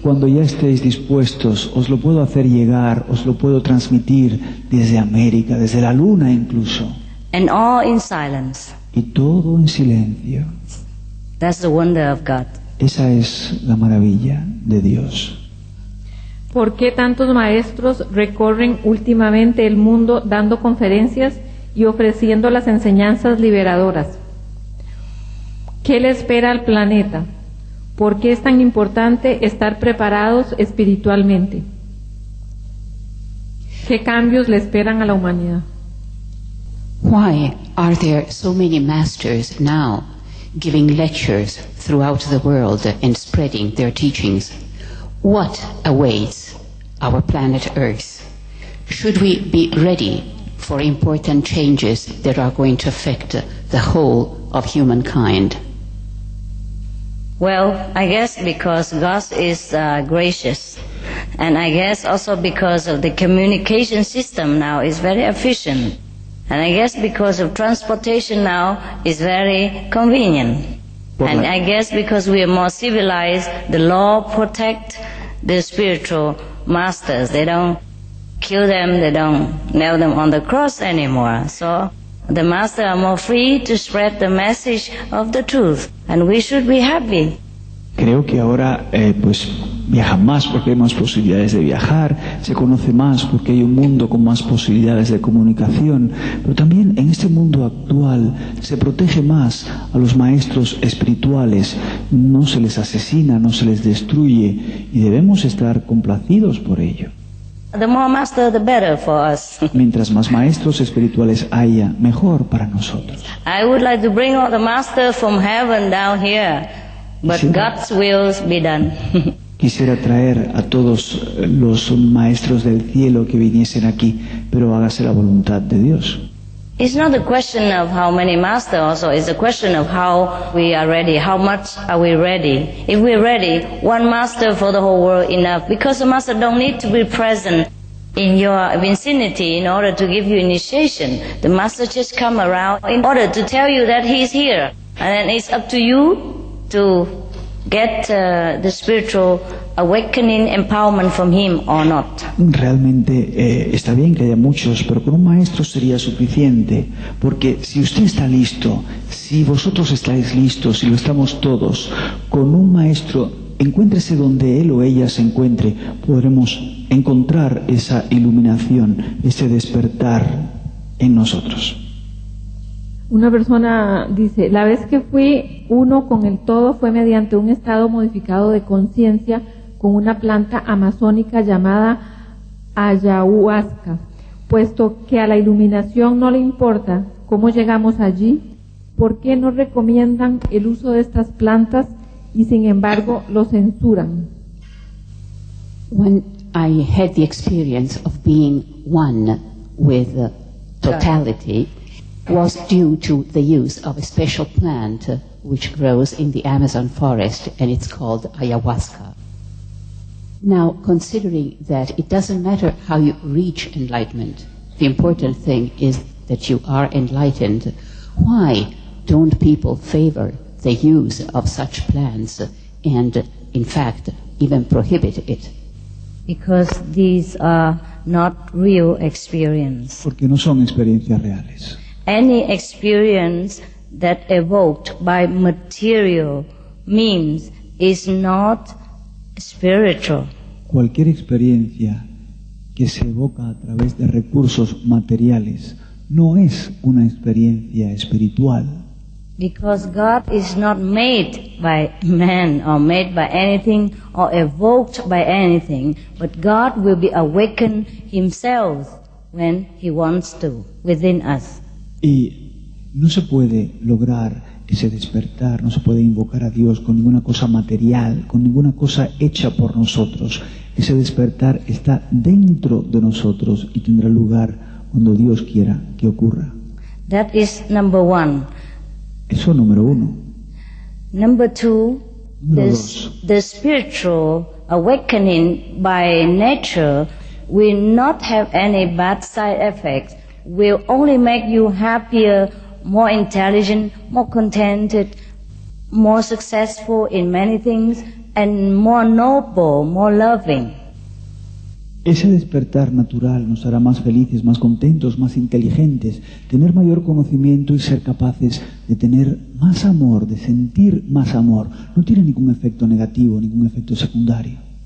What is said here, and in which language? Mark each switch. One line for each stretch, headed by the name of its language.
Spanish: Cuando ya estéis dispuestos, os lo puedo hacer llegar, os lo puedo transmitir desde América, desde la luna incluso.
English: And all in silence.
Spanish: Y todo en silencio.
English: That's the wonder of God.
Spanish: Esa es la maravilla de Dios. ¿Por qué tantos maestros recorren últimamente el mundo dando conferencias y ofreciendo las enseñanzas liberadoras? ¿Qué le espera al planeta? ¿Por qué es tan importante estar preparados espiritualmente? ¿Qué cambios le esperan a la humanidad?
English: Why are there so many masters now giving lectures throughout the world and spreading their teachings? What awaits our planet Earth? Should we be ready for important changes that are going to affect the whole of humankind? Well, I guess because God is gracious, and I guess also because of the communication system now is very efficient, and I guess because of transportation now is very convenient, and I guess because we are more civilized, the law protects the spiritual masters. They don't kill them, they don't nail them on the cross anymore. So the masters are more free to spread the message of the truth, and we should be happy.
Spanish: Creo que ahora pues viajan más porque hay más posibilidades de viajar, se conoce más porque hay un mundo con más posibilidades de comunicación, pero también en este mundo actual se protege más a los maestros espirituales, no se les asesina, no se les destruye, y debemos estar complacidos por ello.
English: The more master, the better for us.
Spanish: Mientras más maestros espirituales haya, mejor para nosotros.
English: I would like to bring all the masters from heaven down here, but God's will be done.
Spanish: Quisiera traer a todos los maestros del cielo que viniesen aquí, pero hágase la voluntad de Dios.
English: It's not a question of how many masters, also it's a question of how we are ready, how much are we ready. If we're ready, one master for the whole world enough, because the master don't need to be present in your vicinity in order to give you initiation. The master just come around in order to tell you that he's here, and it's up to you to get the spiritual awakening empowerment from him or not.
Spanish: Realmente está bien que haya muchos, pero con un maestro sería suficiente, porque si usted está listo, si vosotros estáis listos, si lo estamos todos, con un maestro, encuéntrese donde él o ella se encuentre, podremos encontrar esa iluminación, ese despertar. en nosotros. Una persona dice, la vez que fui uno con el todo fue mediante un estado modificado de conciencia con una planta amazónica llamada ayahuasca. Puesto que a la iluminación no le importa cómo llegamos allí, ¿por qué no recomiendan el uso de estas plantas y sin embargo lo censuran?
English: When I had the experience of being one with the totality was due to the use of a special plant which grows in the Amazon forest and it's called ayahuasca. Now, considering that it doesn't matter how you reach enlightenment, the important thing is that you are enlightened, why don't people favor the use of such plants and, in fact, even prohibit it? Because these are not real experience.
Spanish: Porque no son experiencias reales.
English: Any experience that evoked by material means is not spiritual.
Spanish: Cualquier experiencia que se evoca a través de recursos materiales no es una experiencia espiritual.
English: Because God is not made by man or made by anything or evoked by anything, but God will be awakened himself when he wants to within us.
Spanish: Y no se puede lograr ese despertar, no se puede invocar a Dios con ninguna cosa material, con ninguna cosa hecha por nosotros. Ese despertar está dentro de nosotros y tendrá lugar cuando Dios quiera que ocurra.
English: That is number one.
Spanish: Eso es número uno.
English: Number two,
Spanish: número
English: the spiritual awakening by nature will not have any bad side effects, will only make you happier, more intelligent, more contented, more successful in many things, and more noble, more loving.
Spanish: Ese despertar natural nos hará más felices, más contentos, más inteligentes, tener mayor conocimiento y ser capaces de tener más amor, de sentir más amor. No tiene ningún efecto negativo, ningún efecto secundario.